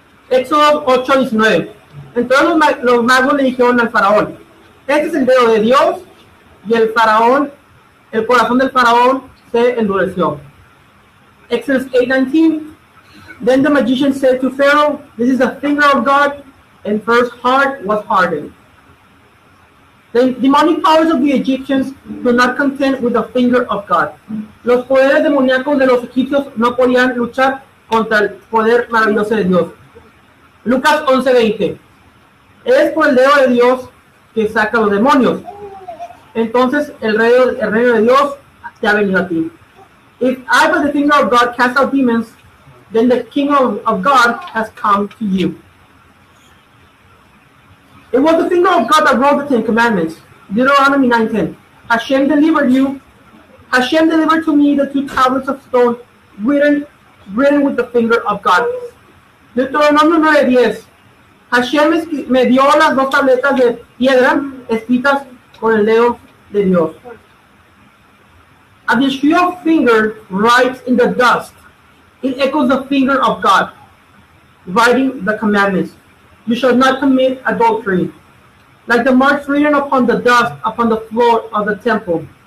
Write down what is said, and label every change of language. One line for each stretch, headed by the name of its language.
Spanish: Éxodo 8:19. Entonces los magos le dijeron al faraón, este es el dedo de Dios, y el faraón, el corazón del faraón se endureció.
English: Exodus 8:19. Then the magician said to Pharaoh, this is the finger of God, and Pharaoh's heart was hardened. The demonic powers of the Egyptians could not contend with the finger of God.
Spanish: Los poderes demoníacos de los egipcios no podían luchar contra el poder maravilloso de Dios. Lucas 11:20. Es por el dedo de Dios que saca los demonios. Entonces el reino de Dios te ha venido a ti.
English: If I by the finger of God cast out demons, then the kingdom of God has come to you. It was the finger of God that wrote the Ten Commandments. Deuteronomy 9:10. Hashem delivered to me the two tablets of stone written with the finger of God. Deuteronomy 9:10.
Spanish: Hashem me dio las dos tabletas de piedra escritas con el dedo de Dios.
English: As Yeshua's finger writes in the dust, it echoes the finger of God, writing the commandments. You shall not commit adultery. Like the marks written upon the dust upon the floor of the temple.